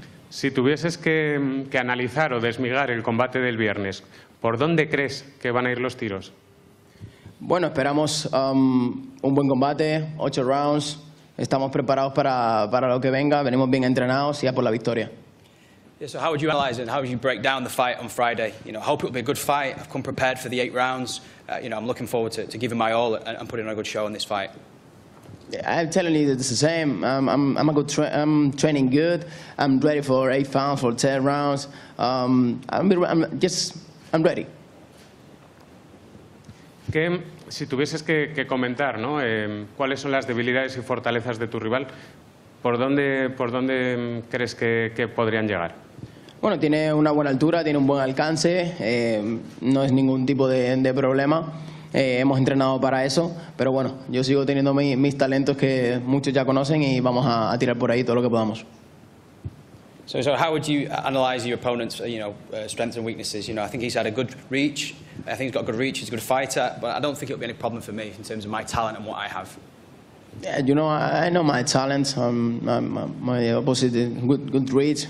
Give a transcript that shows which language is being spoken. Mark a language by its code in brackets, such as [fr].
[es] Si tuvieses que analizar o desmigar el combate del viernes, ¿por dónde crees que van a ir los tiros? Bueno, esperamos un buen combate, 8 rounds. Estamos preparados para lo que venga. Venimos bien entrenados y a por la victoria. [en] Yeah, so how would you analyze and how would you break down the fight on Friday? You know, hope it will be a good fight. I've come prepared for the 8 rounds. You know, I'm looking forward to giving my all and putting on a good show in this fight. Yeah, I'm telling you that it's the same. I'm training good. I'm ready for 8 rounds, for 10 rounds. I'm ready. [es] ¿Qué, si tuvieses que comentar, ¿no? ¿Cuáles son las debilidades y fortalezas de tu rival? ¿Por dónde crees que podrían llegar? Bueno, tiene una buena altura, tiene un buen alcance, no es ningún tipo de problema. Hemos entrenado para eso, pero bueno, yo sigo teniendo mis talentos que muchos ya conocen y vamos a tirar por ahí todo lo que podamos. [en] So how would you analyze your opponent's, you know, strengths and weaknesses? You know, I think he's had a good reach. I think he's got good reach. He's a good fighter, but I don't think it'll be any problem for me in terms of my talent and what I have. Yeah, you know, I know my talent. My opposite is good reach.